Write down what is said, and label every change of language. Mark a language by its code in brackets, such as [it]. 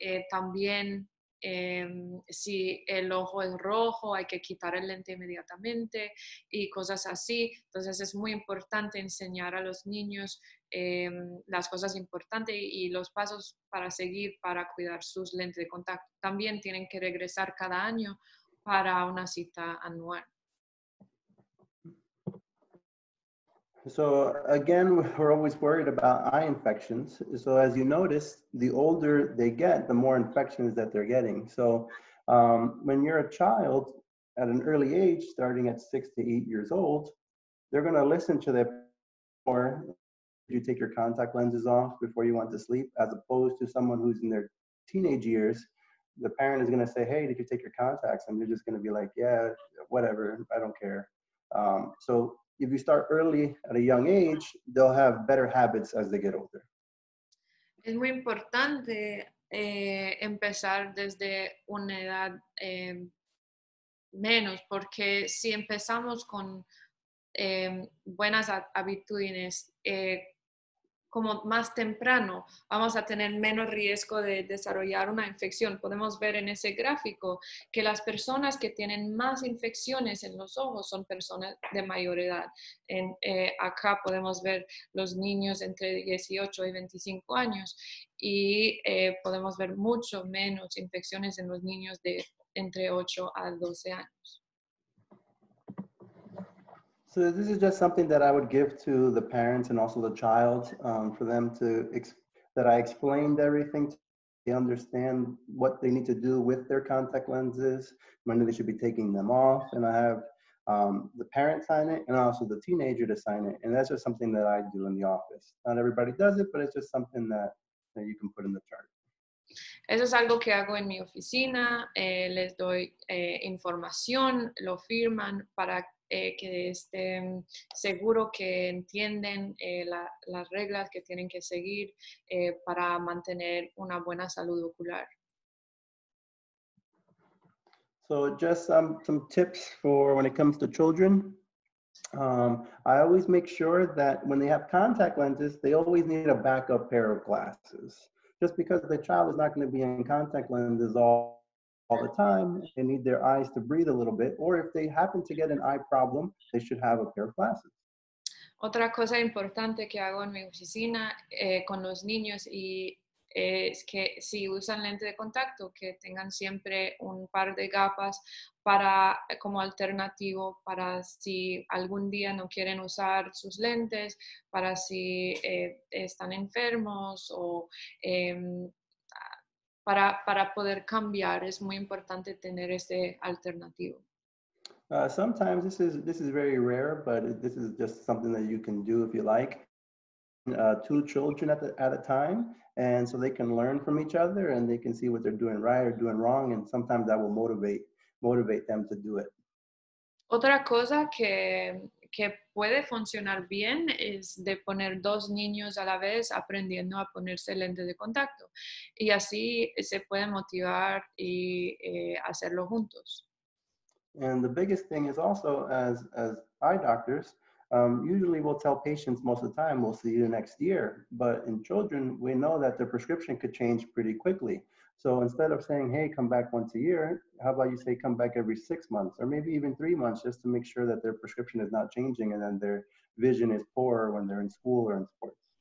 [es] También, si el ojo es rojo, hay que quitar el lente inmediatamente y cosas así. Entonces, es muy importante enseñar a los niños las cosas importantes y los pasos para seguir para cuidar sus lentes de contacto. También tienen que regresar cada año para una cita anual. [en] So again, we're always worried about eye infections. So as you notice, the older they get, the more infections that they're getting. So when you're a child at an early age, starting at 6 to 8 years old, they're going to listen to their parents. You take your contact lenses off before you went to sleep, as opposed to someone who's in their teenage years. The parent is going to say, hey, did you take your contacts? And they're just going to be like, yeah, whatever, I don't care. So if you start early at a young age, they'll have better habits as they get older. [es] Es muy importante empezar desde una edad menos, porque si empezamos con buenas habitudes como más temprano, vamos a tener menos riesgo de desarrollar una infección. Podemos ver en ese gráfico que las personas que tienen más infecciones en los ojos son personas de mayor edad. Acá podemos ver los niños entre 18 y 25 años y podemos ver mucho menos infecciones en los niños de entre 8 a 12 años. [en] So this is just something that I would give to the parents and also the child for them to, that I explained everything to them, they understand what they need to do with their contact lenses, when they should be taking them off. And I have the parent sign it and also the teenager to sign it. And that's just something that I do in the office. Not everybody does it, but it's just something that you can put in the chart. [es] Eso es algo que hago en mi oficina. Les doy información, lo firman para que estén seguro que entienden las reglas que tienen que seguir para mantener una buena salud ocular. [en] So just some tips for when it comes to children. I always make sure that when they have contact lenses, they always need a backup pair of glasses. Just because the child is not going to be in contact lenses all the time, they need their eyes to breathe a little bit, or if they happen to get an eye problem, they should have a pair of glasses. [es] Otra cosa importante que hago en mi oficina con los niños y es que si usan lente de contacto, que tengan siempre un par de gafas para como alternativo para si algún día no quieren usar sus lentes, para si están enfermos o para poder cambiar, es muy importante tener este alternativo. [en] Sometimes this is very rare, but this is just something that you can do if you like. Two children at a time, and so they can learn from each other and they can see what they're doing right or doing wrong, and sometimes that will motivate them to do it. [es] Otra cosa que puede funcionar bien es de poner dos niños a la vez aprendiendo a ponerse lentes de contacto, y así se puede motivar y hacerlo juntos. [en] And the biggest thing is also as eye doctors, usually we'll tell patients most of the time, we'll see you next year. But in children, we know that their prescription could change pretty quickly. So instead of saying, hey, come back once a year, how about you say, come back every 6 months or maybe even 3 months, just to make sure that their prescription is not changing and then their vision is poorer when they're in school or in sports.